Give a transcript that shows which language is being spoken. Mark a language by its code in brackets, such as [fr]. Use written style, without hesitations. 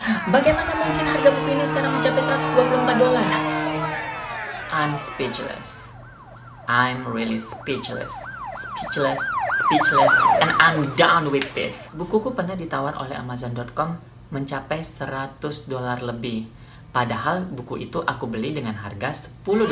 [id] Bagaimana mungkin harga buku ini sekarang mencapai $124? [en] I'm speechless. I'm really speechless. Speechless, speechless, and I'm done with this. [id] Bukuku pernah ditawar oleh Amazon.com mencapai $100 lebih. Padahal buku itu aku beli dengan harga $10.